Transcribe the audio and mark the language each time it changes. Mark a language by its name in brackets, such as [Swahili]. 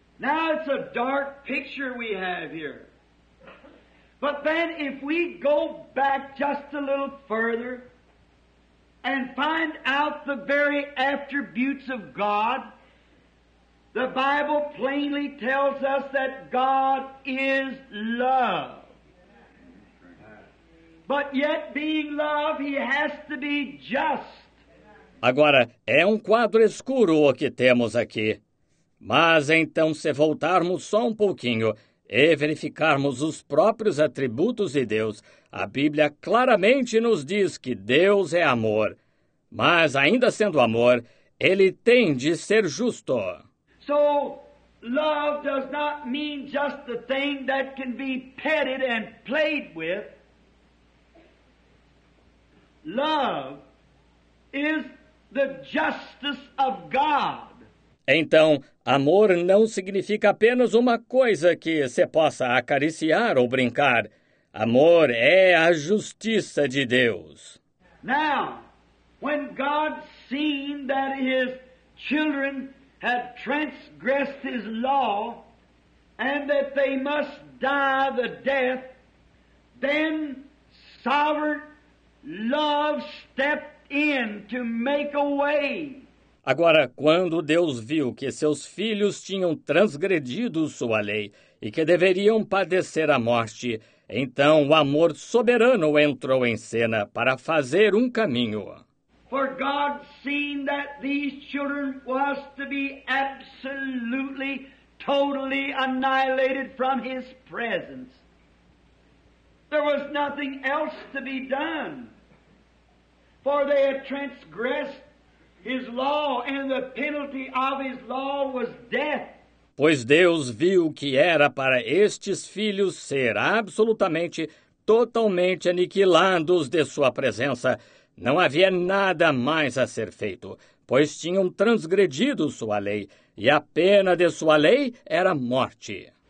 [English] Now it's a dark picture we have here. But then if we go back just a little further and find out the very attributes of God, the Bible plainly tells us that God is love. But yet, being love, he has to be just. [Portuguese] Agora, é quadro escuro o que temos aqui. Mas então, se voltarmos só pouquinho e verificarmos os próprios atributos de Deus, a Bíblia claramente nos diz que Deus é amor. Mas, ainda sendo amor, ele tem de ser justo. [English] So, love does not mean just the thing that can be petted and played with. Love is the justice of God. [Portuguese] Então, amor não significa apenas uma coisa que se possa acariciar ou brincar. Amor é a justiça de Deus. [English] Now, when God seen that his children had transgressed his law, and that they must die the death, then sovereign love stepped in to make a way. [Portuguese] Agora, quando Deus viu que seus filhos tinham transgredido sua lei e que deveriam padecer a morte, então o amor soberano entrou em cena para fazer caminho. [English] For God's seen that these children was to be absolutely, totally annihilated from his presence. There was nothing else to be done, for they had transgressed his law, and the penalty of his law was death. [Portuguese] Pois Deus viu que era para estes filhos ser absolutamente, totalmente aniquilados de sua presença. Não havia nada mais a ser feito, pois tinham transgredido sua lei, e a pena de sua lei era morte.